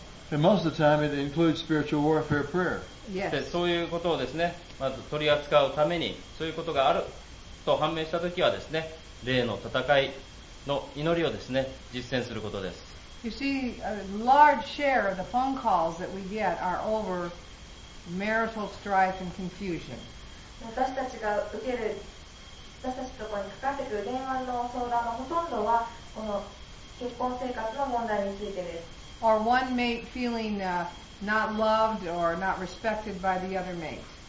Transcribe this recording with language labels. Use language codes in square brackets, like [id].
[en] And most of the time it includes spiritual warfare prayer. [ja] でそういうことをですね、まず取り扱うためにそういうことがあると判明した時はですね、霊の戦いの祈りをですね、実践することです。 [en] You see, a large share of the phone calls that we get are over marital strife and confusion. [ja] 私たちが受ける、私たちのところにかかってくる電話の相談のほとんどは、この結婚生活の問題についてです。 [en] Or one mate feeling not loved or not respected by the other mate.